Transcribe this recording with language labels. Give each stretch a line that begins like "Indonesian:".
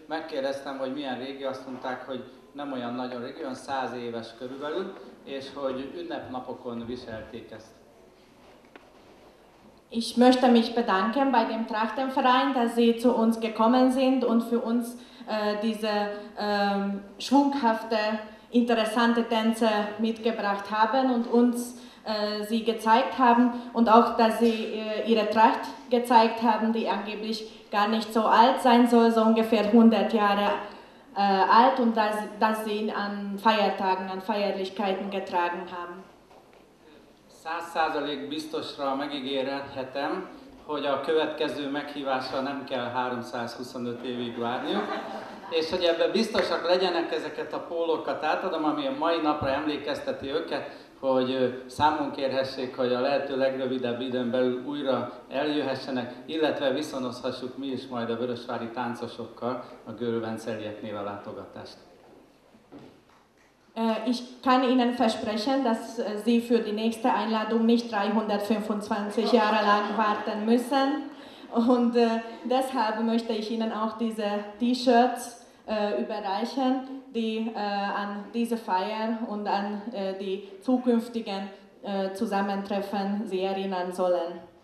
Hungarian: Megkérdeztem, hogy milyen régi, azt mondták, hogy nem olyan nagyon régi, olyan 100 éves körülbelül, és hogy ünnepnapokon viselték ezt.
German: Ich möchte mich bedanken bei dem Trachtenverein, dass sie zu uns gekommen sind und für uns diese schwunghafte, interessante Tänze mitgebracht haben und uns sie gezeigt haben und auch, dass sie ihre Tracht gezeigt haben, die angeblich gar nicht so alt sein soll, so ungefähr 100 Jahre alt und dass sie ihn an Feiertagen, an Feierlichkeiten getragen haben.
Hungarian: 100% biztosra megígérhetem, hogy a következő meghívásra nem kell 325 évig várniuk, és hogy ebben biztosak legyenek, ezeket a pólókat átadom, ami a mai napra emlékezteti őket, hogy számon kérhessék, hogy a lehető legrövidebb időn belül újra eljöhessenek, illetve viszonozhassuk mi is majd a vörösvári táncosokkal a gőrvencelieknél a látogatást.
German: Ich kann Ihnen versprechen, dass Sie für die nächste Einladung nicht 325 Jahre lang warten müssen. Und deshalb möchte ich Ihnen auch diese T-Shirts überreichen, die an diese Feier und an die zukünftigen Zusammentreffen Sie erinnern sollen.